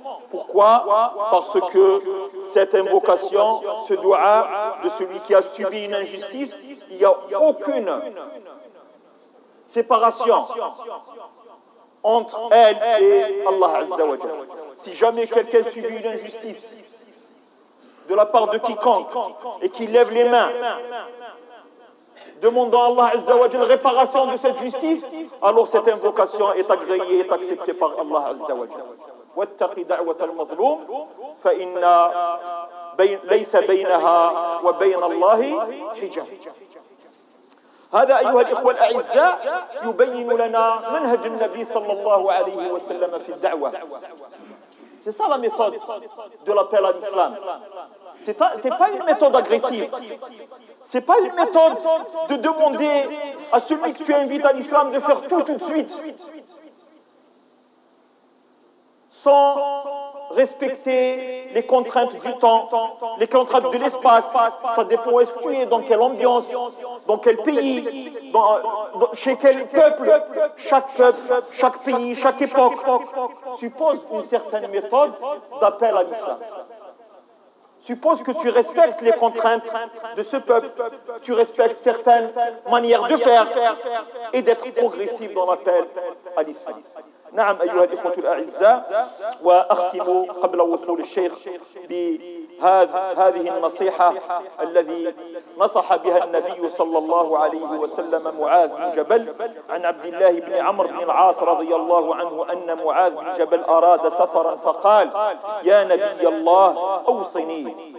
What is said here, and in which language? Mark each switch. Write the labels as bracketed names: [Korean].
[French] Pourquoi ? Parce que cette invocation, ce dua de celui qui a subi une injustice, il n'y a aucune séparation entre elle et Allah Azza wa Jalla. Si jamais quelqu'un subit une injustice de la part de quiconque et qu'il lève les mains demandant à Allah Azza wa Jalla réparation de cette justice, alors cette invocation est agréée et acceptée par Allah Azza wa Jalla. [Arabic] واتقي دعوة المظلوم فإن ليس بينها وبين الله حجاب. هذا أيها الإخوة الأعزاء يبين لنا منهج النبي صلى الله عليه وسلم في الدعوة. [French] C'est ça la méthode de l'appel à l'islam. C'est pas une méthode agressive. C'est pas une méthode de demander à celui que tu invites à l'islam de faire tout de suite. Sans respecter les contraintes du temps, les contraintes de l'espace, ça dépend où est-ce que tu es, dans quelle ambiance, dans quel pays, chez quel peuple. Chaque peuple, chaque pays, chaque époque suppose une certaine méthode d'appel à l'islam. Suppose que tu respectes les contraintes de ce peuple, tu respectes certaines manières de faire et d'être progressif dans l'appel à l'islam. [Arabic] نعم أيها الإخوة الأعزاء وأختم قبل وصول الشيخ بهذه النصيحة الذي نصح بها النبي صلى الله عليه وسلم معاذ بن جبل عن عبد الله بن عمرو بن العاص رضي الله عنه أن معاذ بن جبل أراد سفرا فقال يا نبي الله أوصني.